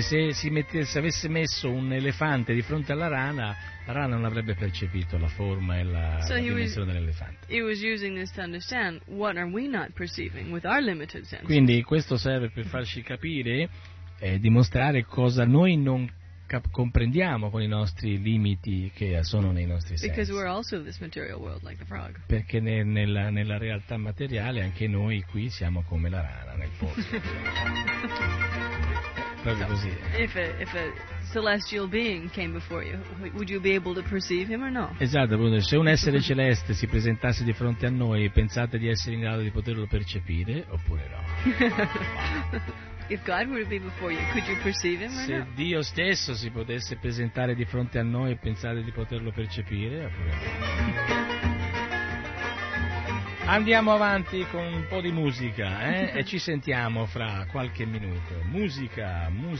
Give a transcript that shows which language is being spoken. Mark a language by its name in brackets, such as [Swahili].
[Italian] Se avesse messo un elefante di fronte alla rana, la rana non avrebbe percepito la forma e la dimensione dell'elefante. [English] He was using this to understand what are we not perceiving with our limited senses. [Italian] Quindi questo serve per farci capire e dimostrare cosa noi non comprendiamo con i nostri limiti che sono nei nostri sensi. [English] Because we're also this material world, like the frog. [Italian] Perché nella realtà materiale anche noi qui siamo come la rana nel posto. Proprio così. [English] If a celestial being came before you, would you be able to perceive him or no? [Italian] Esatto, se un essere celeste si presentasse di fronte a noi, pensate di essere in grado di poterlo percepire oppure no? [English] If God would be before you, could you perceive him or [Italian] Se [English] no? [Italian] Dio stesso si potesse presentare di fronte a noi e pensare di poterlo percepire, andiamo avanti con un po' di musica, e ci sentiamo fra qualche minuto. Musica.